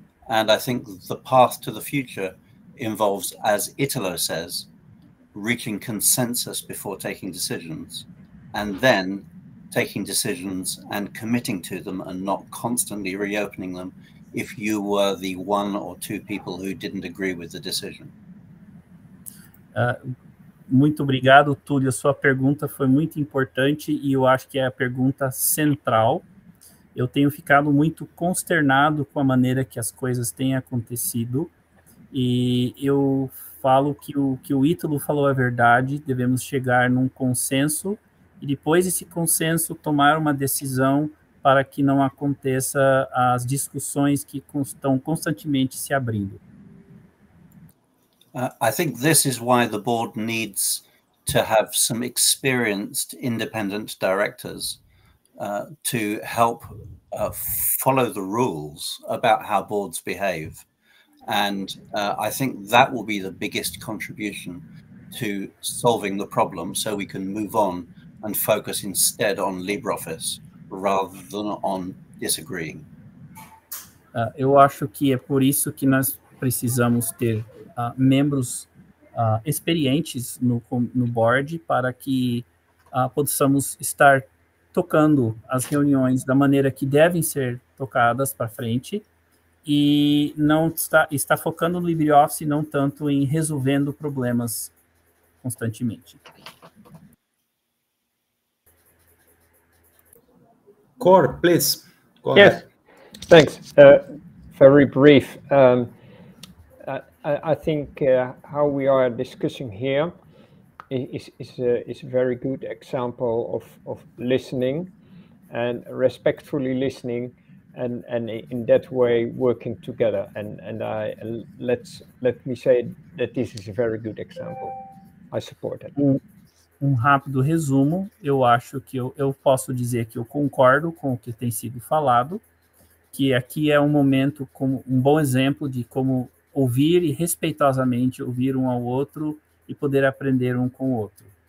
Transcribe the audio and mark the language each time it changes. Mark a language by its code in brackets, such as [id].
[en] And I think the path to the future involves, as Italo says, reaching consensus before taking decisions, and then taking decisions and committing to them and not constantly reopening them if you were the one or two people who didn't agree with the decision. [pt] Muito obrigado, Túlio. Sua pergunta foi muito importante e eu acho que é a pergunta central. Eu tenho ficado muito consternado com a maneira que as coisas têm acontecido e eu falo que o Ítalo falou é verdade, devemos chegar num consenso e depois desse consenso tomar uma decisão para que não aconteça as discussões que estão constantemente se abrindo. [en] I think this is why the board needs to have some experienced independent directors to help follow the rules about how boards behave. And I think that will be the biggest contribution to solving the problem so we can move on and focus instead on LibreOffice rather than on disagreeing. [pt] Eu acho que é por isso que nós precisamos ter membros experientes no board para que possamos estar tocando as reuniões da maneira que devem ser tocadas para frente e não está focando no LibreOffice e não tanto em resolvendo problemas constantemente. [en] Cor, please. Go ahead. Yes, thanks. Very brief. I think how we are discussing here is a very good example of listening and respectfully listening and in that way working together. And I let me say that this is a very good example. I support it. [pt] Um rápido resumo, eu acho que eu posso dizer que eu concordo com o que tem sido falado, que aqui é um momento como um bom exemplo de como ouvir e respeitosamente ouvir um ao outro e poder aprender um com o outro.